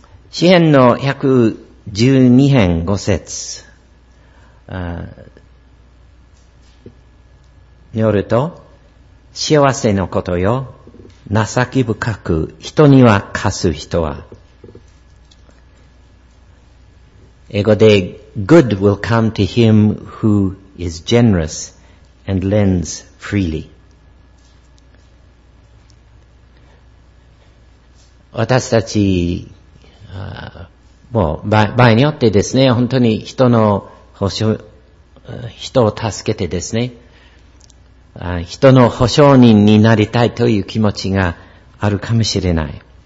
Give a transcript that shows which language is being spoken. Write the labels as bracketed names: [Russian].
[Japanese] 詩編の112編5節によると、幸せのことよ、情け深く人には貸す人は、英語で [English] good will come to him who is generous and lends freely。 [Japanese] 私たちもう場合によってですね、本当に人の保証、人を助けてですね、人の保証人になりたいという気持ちがあるかもしれない。